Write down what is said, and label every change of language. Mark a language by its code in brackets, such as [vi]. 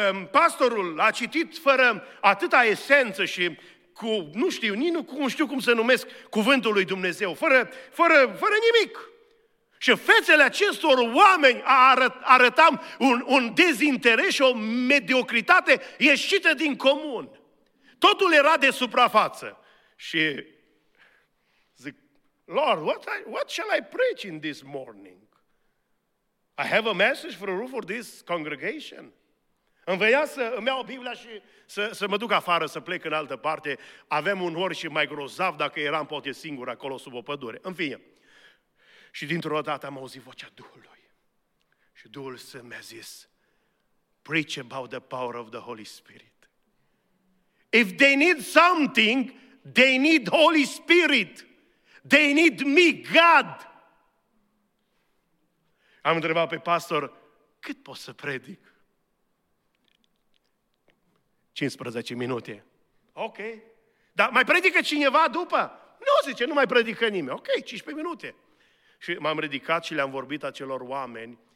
[ro] Pastorul a citit fără atâta esență și cu, nu știu, nu știu cum să numesc cuvântul lui Dumnezeu, fără nimic. Și fețele acestor oameni arătam un dezinteres și o mediocritate ieșită din comun. Totul era de suprafață. Și zic, [en] Lord, what shall I preach in this morning? I have a message for this congregation. [ro] Îmi venea să îmi iau Biblia și să mă duc afară, să plec în altă parte. Aveam un or și mai grozav dacă eram poate singur acolo sub o pădure. În fine. Și dintr-o dată am auzit vocea Duhului. Și Duhul Sfânt mi-a zis, [en] preach about the power of the Holy Spirit. If they need something, they need Holy Spirit. They need me, God. [ro] Am întrebat pe pastor, cât pot să predic? 15 minute. Ok. Dar mai predică cineva după? Nu, zice, nu mai predică nimeni. Ok, 15 minute. Și m-am ridicat și le-am vorbit acelor oameni.